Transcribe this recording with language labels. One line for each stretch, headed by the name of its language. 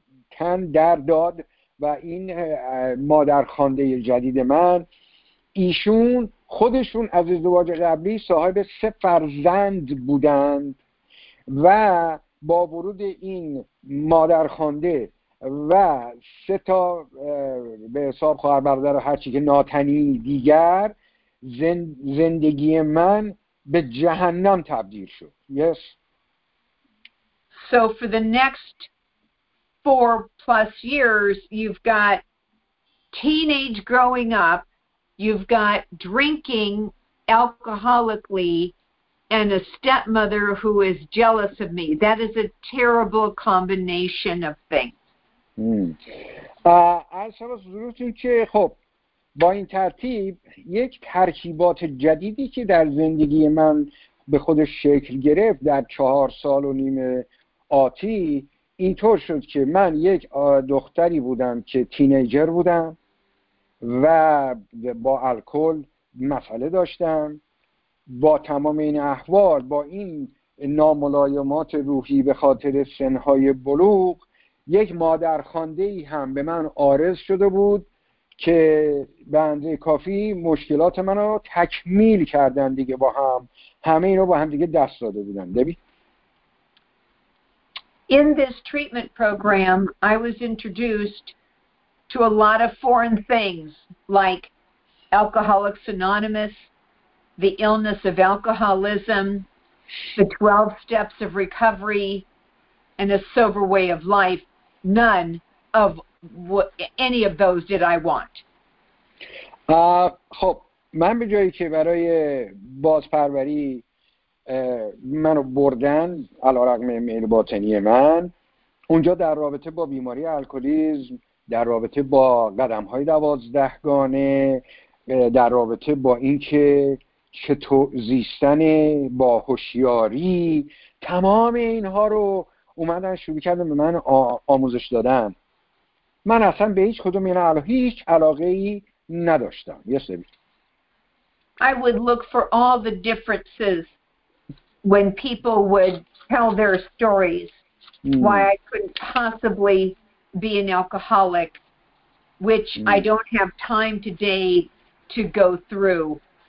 Persian: تن در داد و این مادر خوانده جدید من ایشون خودشون از ازدواج قبلی صاحب سه فرزند بودند و با ورود این مادرخوانده و سه تا به حساب خواهر برادر و هرچی که ناتنی دیگر زندگی من به جهنم تبدیل شد.
English: Yes. So for the next 4+ years you've got teenage growing up, you've got drinking alcoholically, and a stepmother who is jealous of me. That is a terrible combination of things.
Persian: از شما ضرورتون که خب با این ترتیب یک ترکیبات جدیدی که در زندگی من به خودش شکل گرفت در 4.5 سال آتی اینطور شد که من یک دختری بودم که تینیجر بودم و با الکل مسئله داشتم با تمام این احوال با این ناملایمات روحی به خاطر سنهای بلوغ یک مادرخوانده‌ای هم به من عارض شده بود که به اندازه کافی مشکلات منو تکمیل کردن دیگه با هم همه اینو با هم دیگه دست داده بودن. دبی؟
English: In this treatment program I was introduced to a lot of foreign things like Alcoholics Anonymous, the illness of alcoholism, the 12 steps of recovery, and a sober way of life. None of any of those did I want.
Persian: خب من به جایی که برای بازپروری منو بردن علی‌رغم میل باطنی من اونجا در رابطه با بیماری الکلیسم در رابطه با قدم‌های 12 گانه در رابطه با اینکه چطور زیستن با هوشیاری تمام اینها رو اومدن شروع کردن به من آموزش دادن من اصلا به هیچ کدوم اینا هیچ علاقه‌ای نداشتم.
English: Yes, I would look for all the differences when people would tell their stories why I couldn't possibly be an alcoholic, which I don't have time today to go through.